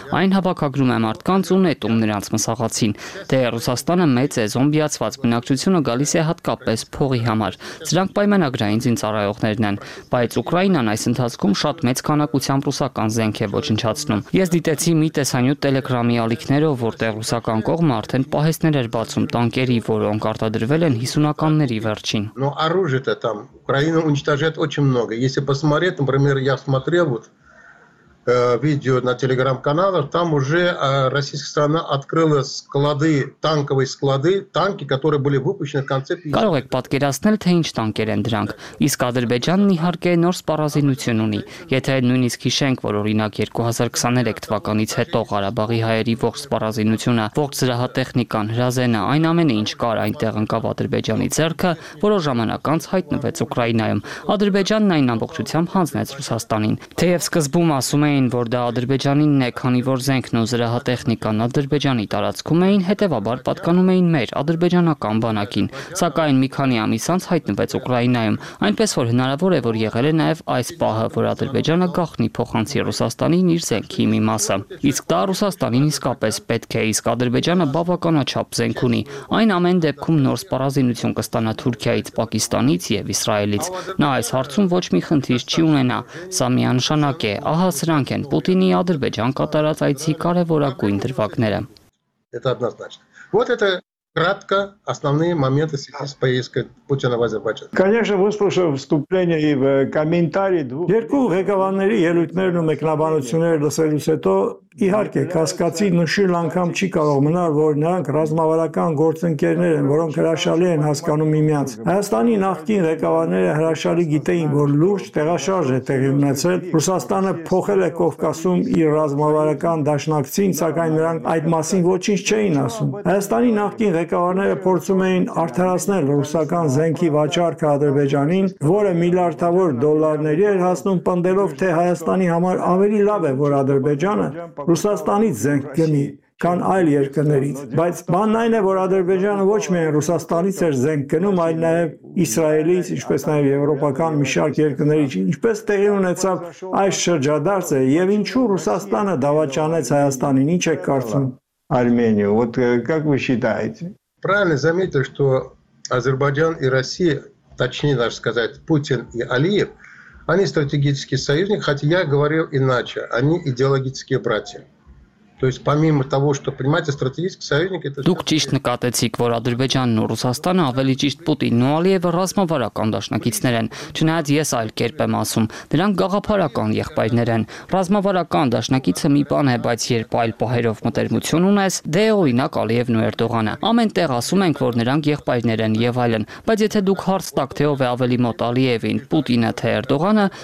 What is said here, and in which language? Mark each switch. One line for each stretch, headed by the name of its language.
Armenian: Այն հավաքագրում է մարդկանց ու նետում նրանց մսաղացին։ Դե Ռուսաստանը մեծ է, զոմբիացված բնակչությունը գալիս է հատկապես փողի համար։ Սրանք պայմանագրային ծառայողներն են, բայց Ուկրաինան այս ընթացքում շատ մեծ քանակությամբ ռուսական զենք է ոչնչացնում։ Ես դիտեցի մի տեսանյութ Էլեկտրոնային ալիքներով, որտեղ ռուսական կողմը արդեն պահեսներ էր բացում տանկերի, որոնք արտադրվել են 50-ականների վերջին։
Russian: Но оружие-то там Украина уничтожает очень много. Если посмотреть, например, я смотрел вот видео на Telegram-каналах, там уже российская страна открыла склады, танковые склады, танки, которые были выпущены в конце 50-х.
Armenian: Կարող եք պատկերացնել, թե ինչ տանկեր են դրանք։ Իսկ Ադրբեջանն իհարկե նոր սպառազինություն ունի։ Եթե նույնիսկ հիշենք, որ օրինակ 2023 թվականից հետո Ղարաբաղի հայերի ողջ սպառազինությունը, ողջ զրահատեխնիկան, հրազենը, այն ամենը, ինչ կար այնտեղ ընկավ Ադրբեջանի ձեռքը, որոշ ժամանակ անց հայտնվեց Ուկրաինայում, Ադրբեջանն այն ամբողջությամբ հանձնեց Ռուսաստանին։ Թեև սկզբում ասում էին, որ դա Ադրբեջանինն է, քանի որ զենքն ու զրահատեխնիկան Ադրբեջանի տարածքում էին, հետևաբար պատկանում էին մեր ադրբեջանական բանակին, սակայն մի քանի ամիս անց հայտնվեց Ուկրաինայում, այնպես որ հնարավոր է, որ եղել է նաև այս պահը, որ Ադրբեջանը գաղտնի փոխանցի Ռուսաստանին իր զենքի մի մասը։ Իսկ դա Ռուսաստանին իսկապես պետք է, իսկ Ադրբեջանը բավականաչափ զենք ունի։ Այն ամեն դեպքում նոր սպառազինություն կստանա Թուրքիայից, Պակիստանից և Իսրայելից։ Նա այս հարցում ոչ մի խնդիր չի ունենա, սա միանշանակ է, ահա սրանք են Պուտինի Ադրբեջան կատարած այցի կարևորագույն դրվագները։
Russian: Кратко основные моменты сейчас поездки Путина в Азербайджан. Конечно, выслушав вступление и комментарии двух
Armenian: երկու ղեկավարների ելույթներն ու մեկնաբանությունները լսելուց հետո, իհարկե, կասկածի նշիլ անգամ չի կարող մնալ, որ նրանք ռազմավարական գործընկերներ են, որոնք հրաշալի են հասկանում միմյանց։ Հայաստանի նախկին ղեկավարները հրաշալի գիտեին, որ լուրջ տեղաշարժ է տեղի ունեցել։ Ռուսաստանը փոխել է Կովկասում իր ռազմավարական դաշնակցին, սակայն նրանք այդ մասին ոչինչ չէին ասում։ Հայաստանի նախկին ղեկավարները փորձում էին արդարացնել ռուսական զենքի վաճառքը Ադրբեջանին, որը միլիարդավոր դոլարների էր հասնում, պնդելով, թե Հայաստանի համար ավելի լավ է, որ Ադրբեջանը Ռուսաստանից զենք գնի, կան այլ երկրներից, բայց բանն այն է, որ Ադրբեջանը ոչ միայն Ռուսաստանից էր զենք գնում, այլ նաև Իսրայելից, ինչպես նաև եվրոպական մի շարք երկրներից, ինչպես տեղի ունեցավ այս շրջադարձը, եւ ինչու Ռուսաստանը դավաճանեց Հայաստանին, ինչ եք կարծում
Russian: Արմենիա, вот как вы считаете? Правильно заметил, что Азербайджан и Россия, точнее даже сказать, Путин и Алиев, они стратегический союзник, хотя я говорил иначе, они идеологические братья. То есть помимо того, что понимаете, стратегический союзник это
Armenian: Դուք ճիշտ նկատեցիք, որ Ադրբեջանն ու Ռուսաստանը, ավելի ճիշտ Պուտինն ու Ալիևը ռազմավարական դաշնակիցներ են, չնայած ես այլ կերպ եմ ասում, դրանք գաղափարական եղբայրներ են։ Ռազմավարական դաշնակիցը մի բան է, բայց երբ այլ պահերով մտերմություն ունես, դե օրինակ Ալիևն ու Էրդողանը, ամենտեղ ասում ենք, որ նրանք եղբայրներ են եւ այլն, բայց եթե դուք հարց տաք, թե ով է ավելի մոտ Ալիևին, Պուտինը թե Էրդողանը,